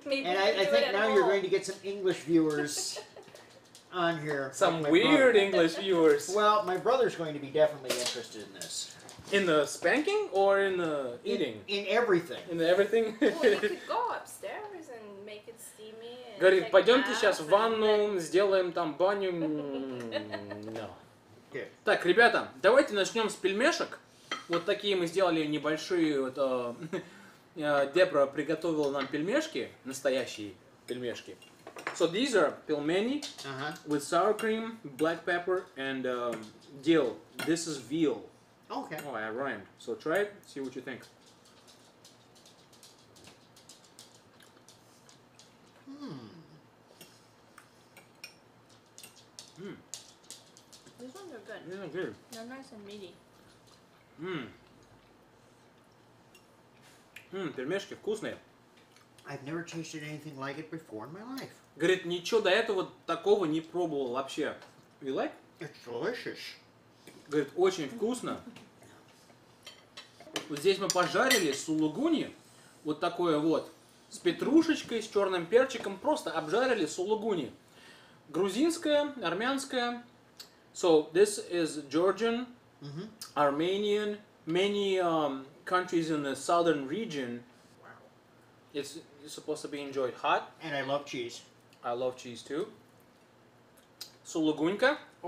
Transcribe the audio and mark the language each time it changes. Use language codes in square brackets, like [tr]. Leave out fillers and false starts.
[en] And I think now you're going to get some English viewers on here. Some weird English viewers. Well, my brother's going to be definitely interested in this. In the spanking or in the eating? In everything. In everything? Well, you could go upstairs and make it steamy. [ru] And говорит, пойдемте сейчас в ванну, сделаем там баню. [en] No. Okay. [ru] Так, ребята, давайте начнем с пельмешек. Вот такие мы сделали небольшие. Вот, Дебра приготовила нам пельмешки, настоящие пельмешки. [en] So these are pelmeni with sour cream, black pepper and dill. This is veal. Okay. Oh, I rhymed. So try it, see what you think. These ones are good. These are good. They're nice and meaty. [ru] Пельмешки вкусные. [en] I've never tasted anything like it before in my life. [ru] Говорит, ничего до этого такого не пробовал вообще. [en] You like? It's delicious. [ru] Говорит, очень вкусно. Вот здесь мы пожарили сулугуни, вот такое вот, с петрушечкой, с черным перчиком, просто обжарили сулугуни. Грузинская, армянская. [en] So, this is Georgian, Armenian, many countries in the southern region. Wow. It's supposed to be enjoyed hot. And I love cheese. I love cheese too. Сулугунька.